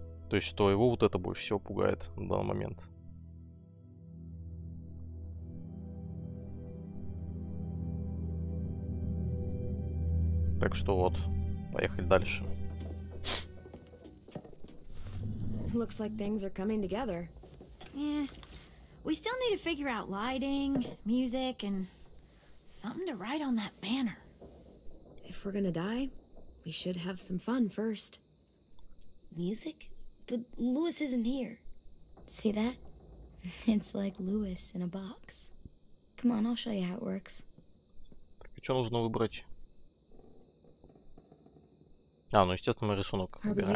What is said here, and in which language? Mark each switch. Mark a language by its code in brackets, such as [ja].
[ru] То есть, что его вот это больше всего пугает на данный момент. Так что вот, поехали дальше. [en] Looks like things are coming together. Yeah. We still need to figure out lighting, music and... Something to write on that banner. If we're gonna die, we should have some fun first. Music? But Lewis isn't here. See that? It's like Lewis in a box. Come on, I'll show you how it works. [ru] Так, и что нужно выбрать? А, ну естественно, мы рисунок выбираем.